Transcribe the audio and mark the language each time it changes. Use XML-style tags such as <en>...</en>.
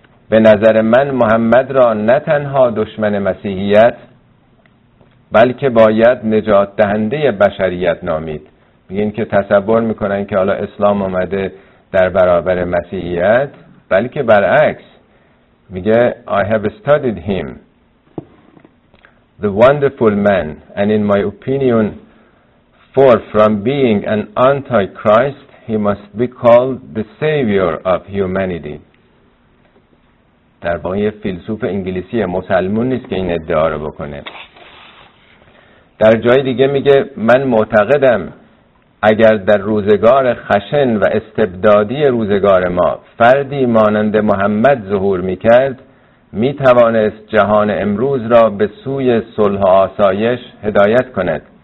<fa>به نظر من محمد را نه تنها دشمن مسیحیت بلکه باید نجات دهنده بشریت نامید. بگین که تصور میکنن که حالا اسلام اومده در برابر مسیحیت، بلکه برعکس. میگه</fa> <en>I have studied him, the wonderful man, and in my opinion, far from being an antichrist, he must be called the savior of humanity.</en> <fa>در واقع فیلسوف انگلیسی مسلمون نیست که این ادعا رو بکنه. در جای دیگه میگه من معتقدم اگر در روزگار خشن و استبدادی روزگار ما فردی مانند محمد ظهور میکرد، می توانست جهان امروز را به سوی صلح و آسایش هدایت کند.</fa>